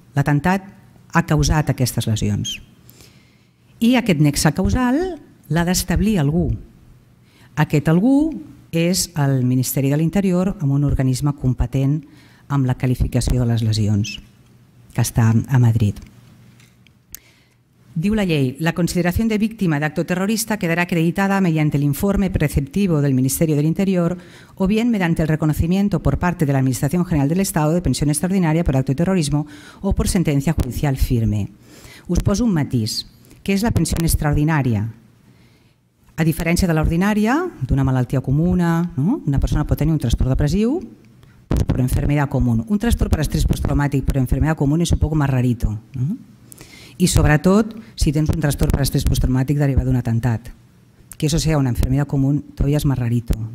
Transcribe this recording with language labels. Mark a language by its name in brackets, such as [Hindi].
[Catalan] L'atemptat ha causat aquestes lesions. I aquest nexe causal l'ha d'establir algú. Aquest algú és el Ministeri de l'Interior amb un organisme competent amb la qualificació de les lesions, que està a Madrid. Diu la llei, [Spanish] la consideración de víctima de acto terrorista quedará acreditada mediante el informe preceptivo del Ministerio del Interior o bien mediante el reconocimiento por parte de la Administración General del Estado de pensión extraordinaria por acto de terrorismo o por sentencia judicial firme. [Catalan] Us poso un matís. Què és la pensión extraordinaria? A diferència de l'ordinària, d'una malaltia comuna, no? Una persona pot tenir un trastorn depressiu per enfermedad común. Un trastorn per estrés posttraumàtic per enfermedad común és un poc [Spanish] más rarito. [Catalan] No? I sobretot si tens un trastorn per estrès posttraumàtic derivat d'un atemptat, que això sigui una infermera comú, [Spanish] todavía es más rarito.